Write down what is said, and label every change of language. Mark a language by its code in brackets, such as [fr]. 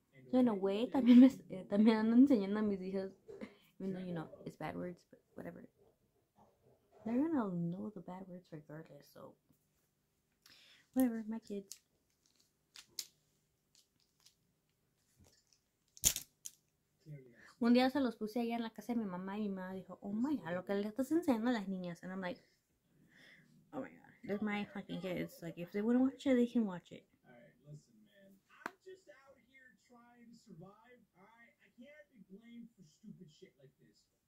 [en] So in a way, [es] también ando enseñando a mis hijas. [en] Even though, you know, it's bad words, but whatever. They're gonna know the bad words regardless, so. Whatever, my kids. [es] Un día se los puse allá en la casa de mi mamá y mi mamá dijo, [en] oh my god, [es] lo que le estás enseñando a las niñas. [en] And I'm like, oh my god, they're my fucking kids. Like, if they want to watch it, they can watch it. All right, listen, man. I'm just out here trying to survive, all right? I can't be blamed for stupid shit like this.